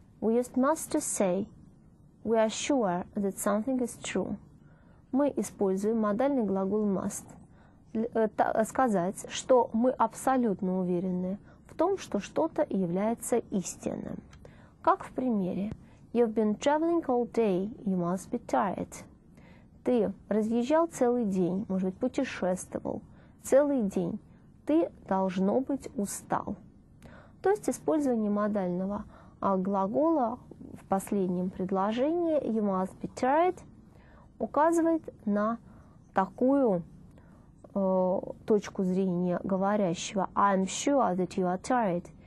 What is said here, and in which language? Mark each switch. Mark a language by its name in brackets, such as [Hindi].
[English] We use must to say we are sure that something is true. [Russian] Мы используем модальный глагол must сказать, что мы абсолютно уверены в том, что что-то является истинным. Как в примере. [English] You've been traveling all day, you must be tired. [Russian] Ты разъезжал целый день, может быть, путешествовал целый день. Ты должно быть устал. То есть использование модального глагола в последнем предложении [English] you must be tired [Russian] указывает на такую точку зрения говорящего [English] I'm sure that you are tired.